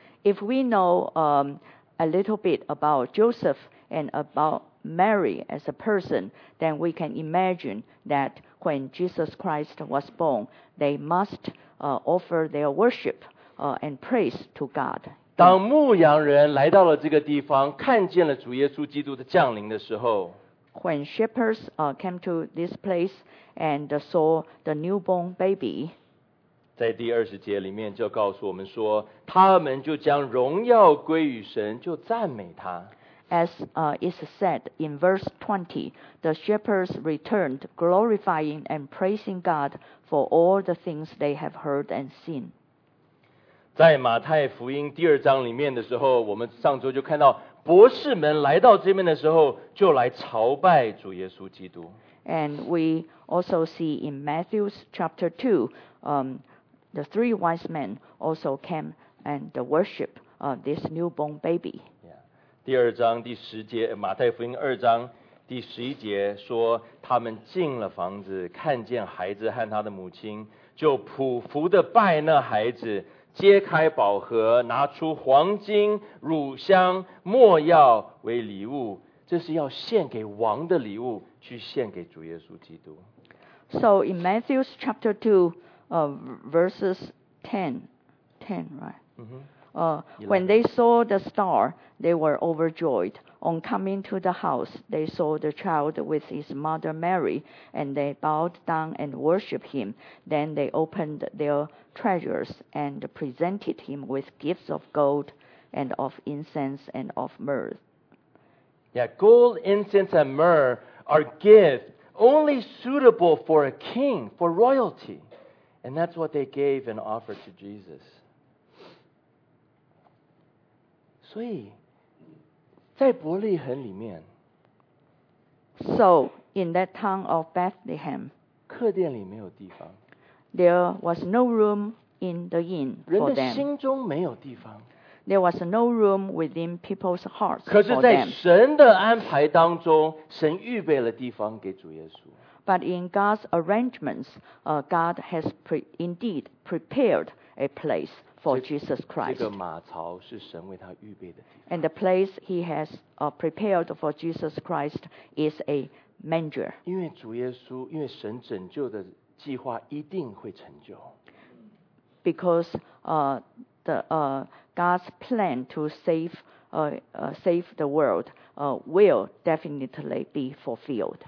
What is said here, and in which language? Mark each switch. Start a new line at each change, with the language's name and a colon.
English: If we know a little bit about Joseph and about Mary as a person, then we can imagine that when Jesus Christ was born, they must offer their worship. And praise to God.
Chinese: 当牧羊人来到了这个地方，看见了主耶稣基督的降临的时候
English: ，When shepherds came to this place and saw the newborn baby，
Chinese: 在第二十节里面就告诉我们说，他们就将荣耀归于神，就赞美他。
English: As is said in verse 20, the shepherds returned, glorifying and praising God for all the things they have heard and seen.
Chinese: 在马太福音第二章里面的时候，我们上周就看到博士们来到这边的时候，就来朝拜主耶稣基督。
English: And we also see in Matthew chapter 2, the three wise men also came and worship this newborn baby. Yeah.
Chinese: 第二章第十节，马太福音二章第十一节说，他们进了房子，看见孩子和他的母亲，就匍匐地拜那孩子。揭开宝盒，拿出黄金、乳香、末药为礼物，这是要献给王的礼物，去献给主耶稣基督。
English: So in Matthew chapter 2, verses 10, right? When they saw the star, they were overjoyed. On coming to the house, they saw the child with his mother Mary, and they bowed down and worshipped him. Then they opened their treasures and presented him with gifts of gold and of incense and of myrrh. Yeah, gold, incense, and myrrh are gifts only suitable for a king, for royalty. And that's what they gave and offered to Jesus.
Chinese: 所以在伯利恒里面
English: So in that town of Bethlehem
Chinese: 客店里没有地方
English: There was no room in the inn for them
Chinese: 人的心中没有地方
English: There was no room within people's hearts for them
Chinese: 可是在神的安排当中神预备了地方给主耶稣
English: But in God's arrangements God has indeed prepared a placeFor Jesus Christ.
Chinese: 这个马槽是神为他预备的地方。
English: And the place he has prepared for Jesus Christ is a manger.
Chinese: 因为主耶稣，因为神拯救的计划一定会成就。
English: Because God's plan to save the world will definitely be fulfilled.